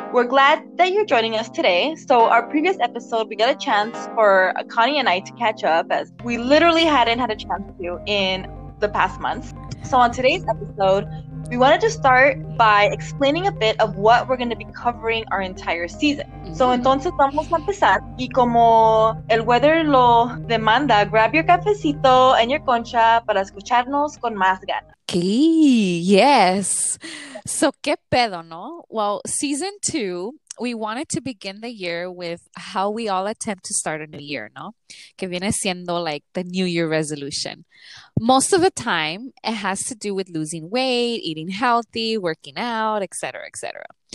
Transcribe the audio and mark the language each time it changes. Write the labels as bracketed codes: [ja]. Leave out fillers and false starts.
[en] We're glad that you're joining us today. So our previous episode, we got a chance for Connie and I to catch up as we literally hadn't had a chance to in the past months. So on today's episode, we wanted to start by explaining a bit of what we're going to be covering our entire season. Mm-hmm. [es] So entonces vamos a empezar y como el [en] weather [es] lo demanda, [en] grab your cafecito and your concha [es] para escucharnos con más ganas. [en] Okay, yes. So [es] qué pedo, no? [en] Well, season two, we wanted to begin the year with how we all attempt to start a new year, no? [es] Que viene siendo [en] like the new year resolution. Most of the time, it has to do with losing weight, eating healthy, working out, et cetera, et cetera.